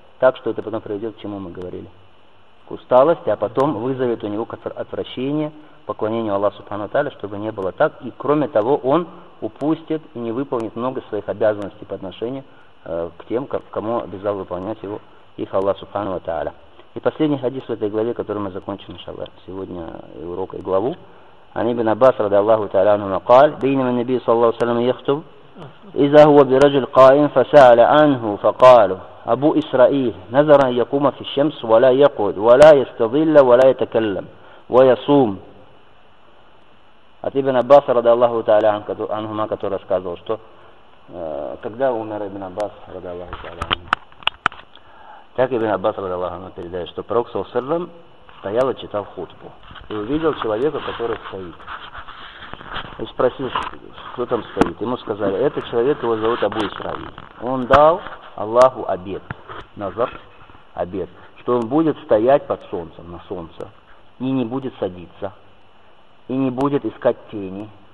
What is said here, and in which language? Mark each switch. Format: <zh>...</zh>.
<ru>Так что это потом приведет к чему мы говорили. К усталости, а потом вызовет у него отвращение, поклонению Аллаху Субхану Тааля, чтобы не было так. И кроме того, он упустит и не выполнит много своих обязанностей по отношению к тем, кому обязал выполнять его их Аллах Субхану Тааля. И последний хадис в этой главе, который мы закончим, иншаллах, сегодня урок и главу.</ru> <ar>عن ابن عباس رضي الله تعالى عنهما قال بينما النبي صلى الله عليه وسلم يخطب إذا هو برجل قائم فسأل عنه فقال أبو إسرائيل نذر أن يقوم في الشمس ولا يقعد ولا يستظل ولا يتكلم ويصوم.</ar> <ru>ابن عباس</ru> <ar>رضي الله تعالى عنهما</ar> <ru>который рассказывал, что когда умер ابن عباس</ru> <ar>رضي الله تعالى عنه,</ar> <ru>так ابن عباس</ru> <ar>رضي الله عنه</ar> <ru>передает, что пророк</ru> <ar>صلى الله عليه وسلم</ar> <ru>стоял и читал хутбу. И увидел человека, который стоит. И спросил, кто там стоит. Ему сказали, это человек, его зовут Абу Исраиль. Он дал Аллаху обет. Назар обет. Что он будет стоять под солнцем, на солнце. И не будет садиться. И не будет искать тени.</ru>